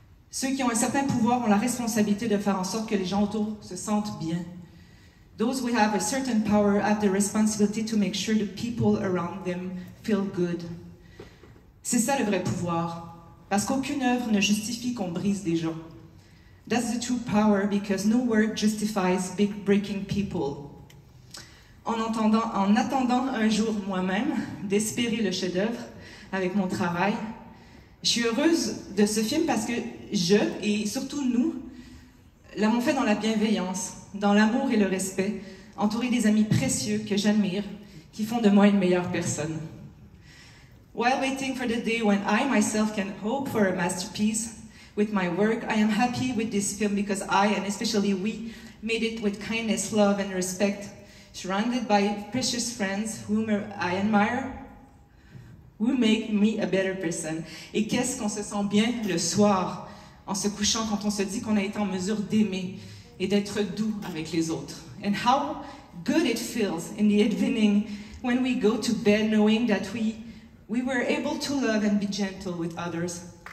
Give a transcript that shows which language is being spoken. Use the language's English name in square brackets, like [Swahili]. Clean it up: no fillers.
[French] Ceux qui ont un certain pouvoir ont la responsabilité de faire en sorte que les gens autour se sentent bien. [English] Those who have a certain power have the responsibility to make sure the people around them feel good. [French] C'est ça le vrai pouvoir, parce qu'aucune œuvre ne justifie qu'on brise des gens. [English] That's the true power, because no work justifies big breaking people. [French] En attendant un jour moi-même d'espérer le chef-d'œuvre avec mon travail, je suis heureuse de ce film parce que je, et surtout nous, l'avons fait dans la bienveillance, dans l'amour et le respect, entouré des amis précieux que j'admire, qui font de moi une meilleure personne. [English] While waiting for the day when I myself can hope for a masterpiece with my work, I am happy with this film because I, and especially we, made it with kindness, love and respect surrounded by precious friends whom I admire, who make me a better person. [French] Et qu'est-ce qu'on se sent bien le soir en se couchant quand on se dit qu'on a été en mesure d'aimer et d'être doux avec les autres. [English] And how good it feels in the evening when we go to bed knowing that we were able to love and be gentle with others.